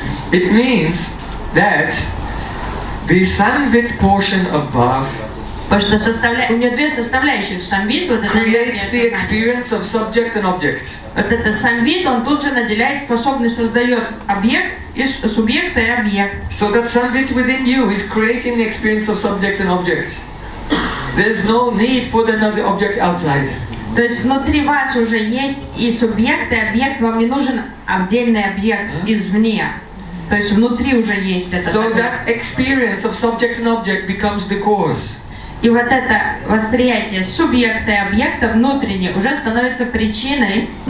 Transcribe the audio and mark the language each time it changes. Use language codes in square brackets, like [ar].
[en] It means that the samvit portion of bhava. [ru] Потому что у нее две составляющих. Самвит, вот это [en] creates the experience of subject and object. [ru] Вот это самвит, он тут же наделяет способность, создает объект из субъекта и объект. [en] So that samvit within you is creating the experience of subject and object. There's no need for another object outside. [ru] То есть внутри вас уже есть и субъект, и объект. Вам не нужен отдельный объект извне. То есть внутри уже есть этот [en] so [ru] объект. [en] So that experience of subject and object becomes the cause. [ru] И вот это восприятие субъекта и объекта внутреннее уже становится причиной.